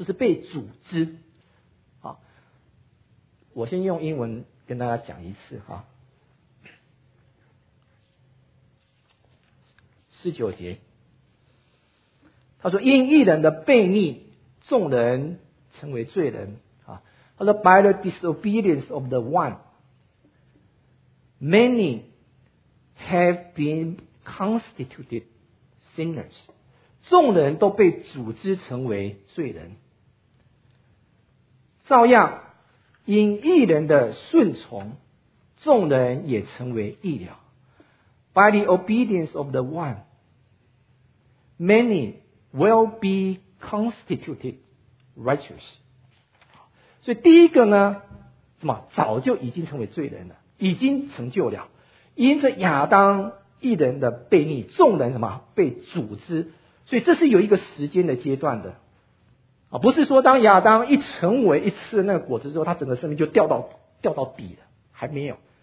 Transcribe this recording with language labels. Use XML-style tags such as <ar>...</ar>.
<zh>就是被组织。好，我先用英文跟大家讲一次哈。十九节，他说：“因一人的悖逆，众人成为罪人。” 啊，他说</zh> <en>：“By the disobedience of the one, many have been constituted sinners。”</en> <zh>众人都被组织成为罪人。照样，因一人的顺从，众人也成为义了。</zh> <en>By the obedience of the one. Many will be constituted righteous.</en> <zh>所以第一个呢，什么？早就已经成为罪人了，已经成就了。因着亚当一人的悖逆，众人什么？被组织。所以这是有一个时间的阶段的。不是说当亚当一成为一吃那个果子之后，他整个生命就掉到底了，还没有。</zh>